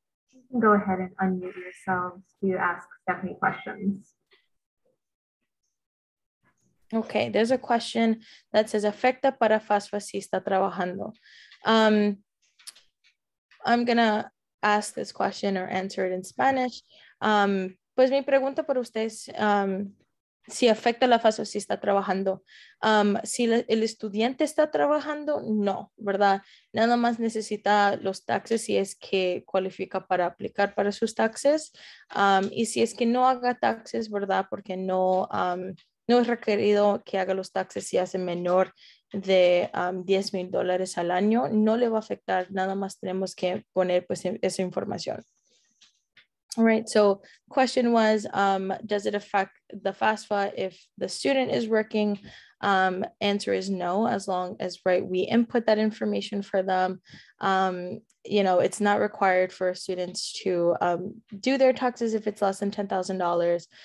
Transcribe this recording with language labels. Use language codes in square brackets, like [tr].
[en] You can go ahead and unmute yourselves to ask Stephanie questions. Okay, there's a question that says, [es] afecta para FAFSA si está trabajando. [en] I'm gonna ask this question or answer it in Spanish. [es] Pues mi pregunta por ustedes, si afecta la FAFSA si está trabajando. Si el estudiante está trabajando, no, ¿verdad? Nada más necesita los taxes si es que cualifica para aplicar para sus taxes. Y si es que no haga taxes, ¿verdad? Porque no, no es requerido que haga los taxes si hace menor de $10,000 al año, no le va a afectar, nada más tenemos que poner pues esa información. [en] All right, so question was, does it affect the FAFSA if the student is working? Answer is no, as long as, right, we input that information for them. You know, it's not required for students to do their taxes if it's less than $10,000.